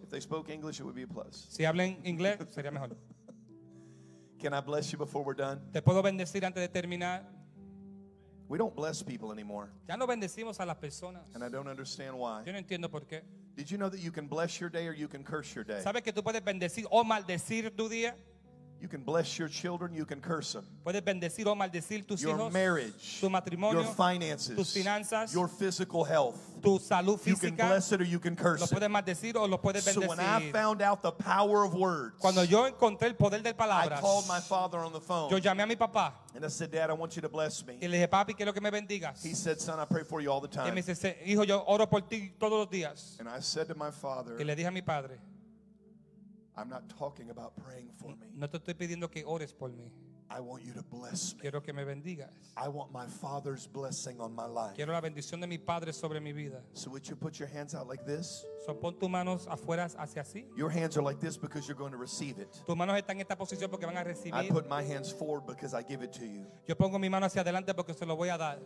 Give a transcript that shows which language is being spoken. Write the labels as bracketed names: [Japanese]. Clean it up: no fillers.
[English] If they spoke English, it would be a plus. [Spanish] Si hablen inglés, sería mejor. [English] Can I bless you before we're done? [Spanish] Te puedo bendecir antes de terminar. [English] We don't bless people anymore. [Spanish] Ya no bendecimos a las personas. [English] And I don't understand why. [Spanish] Yo no entiendo por qué. [English] Did you know that you can bless your day or you can curse your day? [Spanish] ¿Sabes que tú puedes bendecir o maldecir tu día? [English] You can bless your children, you can curse them. [Spanish] Puedes bendecir o maldecir tus [English] your [Spanish] hijos, [English] marriage, [Spanish] tu matrimonio, [English] your finances, [Spanish] tus finanzas, [English] your physical health. [Spanish] Tu salud física, [English] you can bless it or you can curse [Spanish] lo puedes maldecir [English] it. [Spanish] O lo puedes [English] so [Spanish] bendecir. [English] When I found out the power of words, [Spanish] cuando yo encontré el poder de palabras, [English] I called my father on the phone. [Spanish] Yo llamé a mi papá, [English] and I said, Dad, I want you to bless me. [Spanish] Y le dije, papi, quiero que me bendigas. [English] He said, Son, I pray for you all the time. [Spanish] Y me dice, hijo, yo oro por ti todos los días. [English] And I said to my father, [Spanish] y le dije a mi padre, [English] I'm not talking about praying for me. [Spanish] No te estoy pidiendo que ores por mí. [English] I want you to bless me. [Spanish] Quiero que me bendigas. [English] I want my father's blessing on my life. [Spanish] Quiero la bendición de mi padre sobre mi vida. [English] So would you put your hands out like this? [Spanish] So pon tus manos afuera hacia así. [English] Your hands are like this because you're going to receive it. [Spanish] Tus manos están en esta posición porque van a recibir. [English] I put my hands forward because I give it to you. [Spanish] Yo pongo mi mano hacia adelante porque se lo voy a dar.